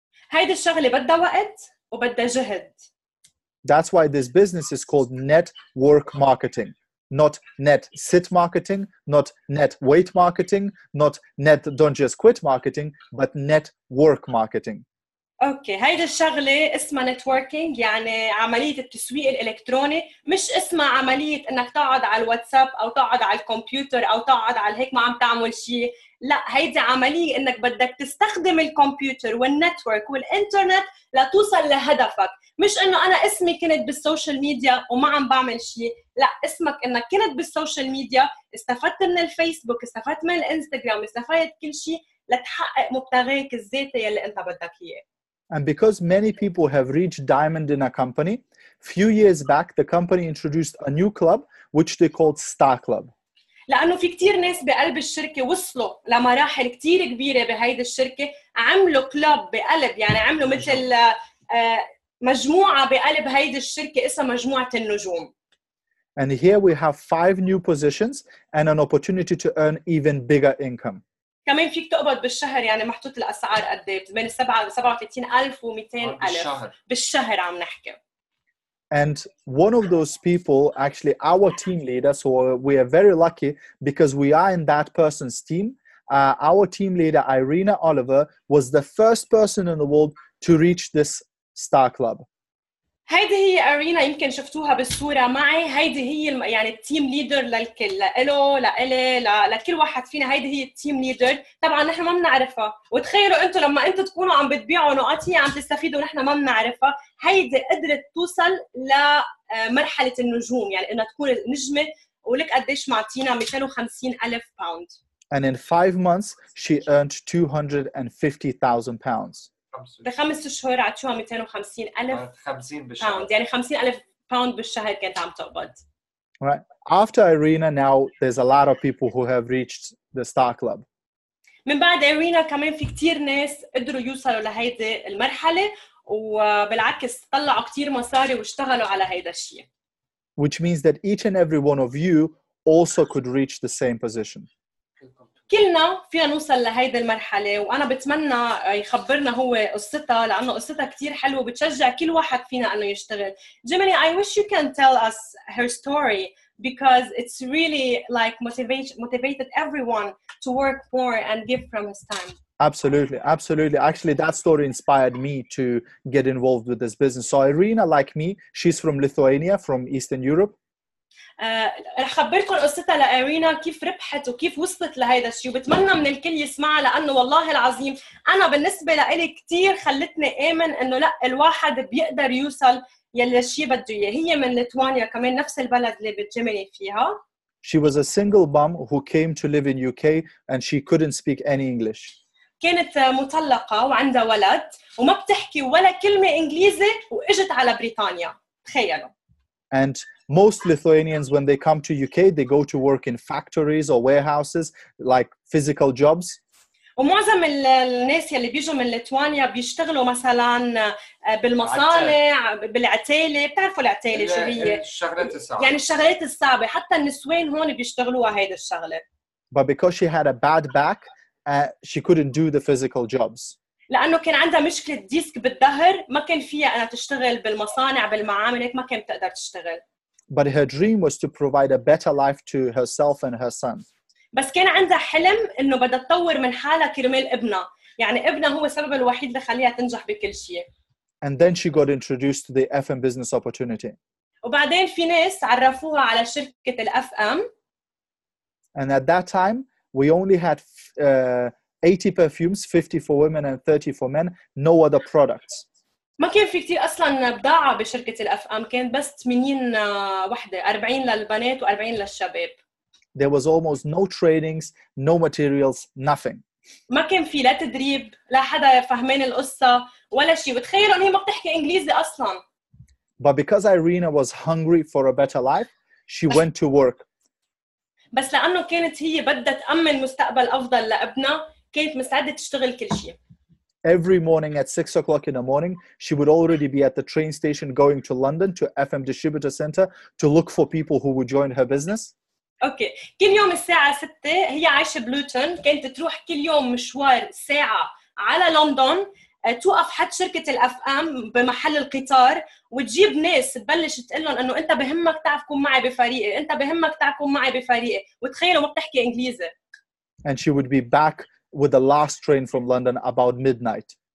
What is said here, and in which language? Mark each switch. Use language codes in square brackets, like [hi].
[ar] هيدا الشغله بدها وقت وبدها جهد. [en] That's why this business is called network marketing, not net sit marketing, not net wait marketing, not net don't just quit marketing, but network marketing. [ar] Okay, هيدا الشغلة اسمها networking يعني عملية التسويق الإلكتروني مش اسمها عملية إنك تقعد على الواتساب أو تقعد على الكمبيوتر أو تقعد على هيك ما عم تعمل شيء. لا هيدا عملية إنك بدك تستخدم الكمبيوتر والنتورك والإنترنت لتوصل لهدفك مش إنه أنا اسمي كنت بالسوشيال ميديا وما عم بعمل شيء لا اسمك إنك كنت بالسوشيال ميديا استفدت من الفيسبوك استفدت من الإنستغرام استفدت كل شيء لتحقق مبتغيك الذاتي اللي أنت بدك إياه [en] And because many people have reached diamond in a company few years back the company introduced a new club which they called Star Club [ar] لأنه في كتير ناس بقلب الشركة وصلوا لمراحل كتير كبيرة بهيد الشركة عملوا كلاب بقلب يعني عملوا مثل مجموعة بقلب هيد الشركة اسمها مجموعة النجوم [en] And here we have five new positions and an opportunity to earn even bigger income [ar] كمان فيك تقبض بالشهر يعني محطوط الأسعار قدي بين 37,000 و200,000 بالشهر عم نحكي [en] And one of those people, actually our team leader, so we are very lucky because we are in that person's team. Our team leader, Irina Oliver, was the first person in the world to reach this star club. [ar] هيدي هي أرينا يمكن شفتوها بالصورة معي هيدي هي يعني التيم ليدر للكل لإله لإلي لكل واحد فينا هيدي هي التيم ليدر طبعا نحن ما بنعرفها وتخيلوا انتوا لما انتوا تكونوا عم بتبيعوا نقاط هي عم تستفيدوا ونحن ما بنعرفها هيدي قدرت توصل لمرحلة النجوم يعني انها تكون نجمة ولك قديش معطينا 250,000 باوند [en] And in five months she earned 250,000 pounds [ar] بخمس شهور عطيوها 250,000 50 يعني 50,000 باوند بالشهر كانت عم تقبض. [en] Right. After Irina, now there's a lot of people who have reached the Star Club. [ar] من بعد إيرينا كمان في كتير ناس قدروا يوصلوا لهيدي المرحلة وبالعكس طلعوا كتير مصاري واشتغلوا على هيدا الشيء. [en] Which means that each and every one of you also could reach the same position. [ar] كلنا فينا نوصل لهيدي المرحلة وأنا بتمنى يخبرنا هو قصتها لأنه قصتها كتير حلوة بتشجع كل واحد فينا أنه يشتغل. [en] Gemini, I wish you can tell us her story. Because it's really like motivated everyone to work more and give from his time. Absolutely, absolutely. Actually, that story inspired me to get involved with this business. So Irina, like me, she's from Lithuania, from Eastern Europe. [ar] رح خبركم قصتها لإيرينا كيف ربحت وكيف وصلت لهذا الشيء وبتمنى من الكل يسمعها لأنه والله العظيم أنا بالنسبة لإلي كتير خلتني آمن إنه لا الواحد بيقدر يوصل يلي الشيء بده إياه. هي من ليتوانيا كمان نفس البلد اللي بتجمني فيها. [en] She was a single mom who came to live in UK and she couldn't speak any English. [ar] كانت مطلقة وعندها ولد وما بتحكي ولا كلمة إنجليزي وإجت على بريطانيا تخيلوا. [en] And most Lithuanians, when they come to UK, they go to work in factories or warehouses, like physical jobs. [ar] ومعظم الناس يلي بيجوا من ليتوانيا بيشتغلوا مثلاً بالمصانع بالعتالة بتعرفوا العتالة شو هي؟ الشغلات الصعبة. يعني الشغلات الصعبة حتى النسوين هون بيشتغلوها هيدا الشغلة. [en] But because she had a bad back, she couldn't do the physical jobs. [ar] لأنه كان عندها مشكلة ديسك بالظهر ما كان فيها أنا تشتغل بالمصانع بالمعامل هيك ما كان بتقدر تشتغل. But her dream was to provide a better life to herself and her son. بس كان عندها حلم إنه بدها تطور من حالها كرمال ابنها. يعني ابنها هو السبب الوحيد اللي خليها تنجح بكل شيء. [en] And then she got introduced to the FM business opportunity. [ar] وبعدين في ناس عرفوها على شركة الـ FM. [en] And at that time, we only had 80 perfumes, 50 for women and 30 for men, no other products. [ar] ما كان في كتير أصلاً بضاعة بشركة الأف أم كان بس 80 وحدة 40 للبنات و40 للشباب. [en] There was almost no trainings, no materials, nothing. [ar] ما كان في لا تدريب لا حدا فهمين القصة ولا شيء وتخيلوا إن هي ما بتحكي إنجليزي أصلاً. [en] But because Irina was hungry for a better life, she went to work. [ar] بس لأنه كانت هي بدها تأمن مستقبل أفضل لابنها كانت مستعدة تشتغل كل شيء. [en] Every morning at 6 o'clock in the morning, she would already be at the train station going to London to FM distributor center to look for people who would join her business. Okay. [ar] كل يوم الساعة 6 هي عايشة بلوتون كانت تروح كل يوم مشوار ساعة على لندن توقف حد شركة الاف ام بمحل القطار وتجيب ناس تبلش تقلهم انه انت بهمك تعفكم معي بفريقي انت بهمك تعفكم معي بفريقي وتخيلوا ما بتحكي انجليزي. [en] And she would be back with the last train from London about midnight.